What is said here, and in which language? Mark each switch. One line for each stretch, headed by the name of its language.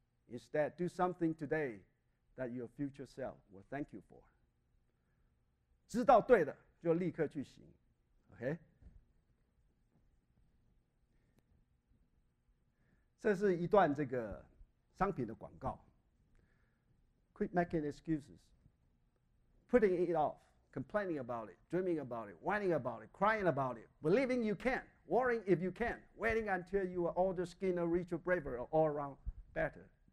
English: Instead, do something today that your future self will thank you for.
Chinese: 知道对的就立刻去行 ，OK。这是一段这个商品的广告。
English: Quit making excuses, putting it off, complaining about it, dreaming about it, whining about it, crying about it, believing you can, worrying if you can, waiting until you are older, skinner, richer, braver, or all around better.